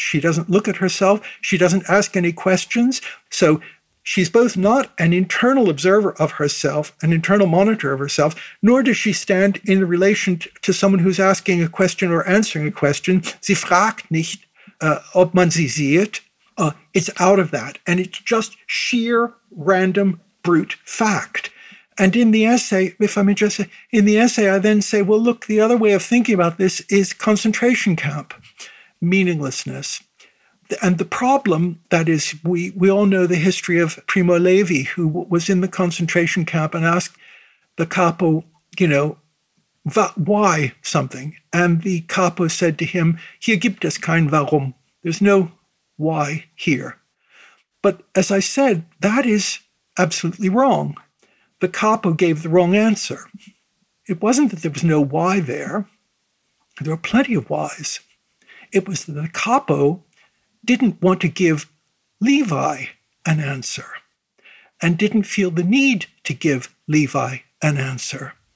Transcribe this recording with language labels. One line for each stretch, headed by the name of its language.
English: She doesn't look at herself. She doesn't ask any questions. So she's both not an internal observer of herself, an internal monitor of herself, nor does she stand in relation to someone who's asking a question or answering a question.
German: Sie fragt nicht, ob man sie sieht.
English: It's out of that. And it's just sheer, random, brute fact. And in the essay, if I may just say, in the essay, I then say, well, look, the other way of thinking about this is concentration camp, meaninglessness. And the problem, that is, we all know the history of Primo Levi, who was in the concentration camp and asked the capo, you know, why something? And the capo said to him,
German: hier gibt es kein warum.
English: There's no why here. But as I said, that is absolutely wrong. The capo gave the wrong answer. It wasn't that there was no why there. There are plenty of whys. It was that the capo didn't want to give Levi an answer and didn't feel the need to give Levi an answer.